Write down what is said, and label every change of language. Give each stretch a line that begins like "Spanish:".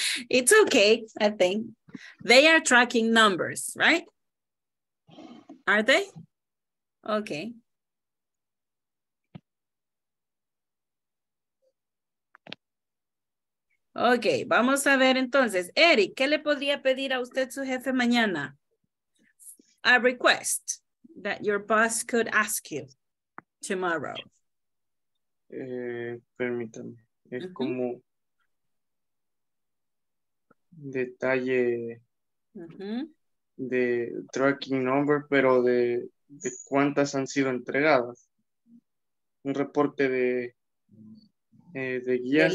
English: It's okay, I think. They are tracking numbers, right? Are they? Okay.
Spanish: Okay, vamos a ver entonces. Eric, ¿qué le podría pedir a usted su jefe mañana?
English: A request that your boss could ask you tomorrow.
Spanish: Permítame. Es como detalle de tracking number, pero de cuántas han sido entregadas. Un reporte de guías.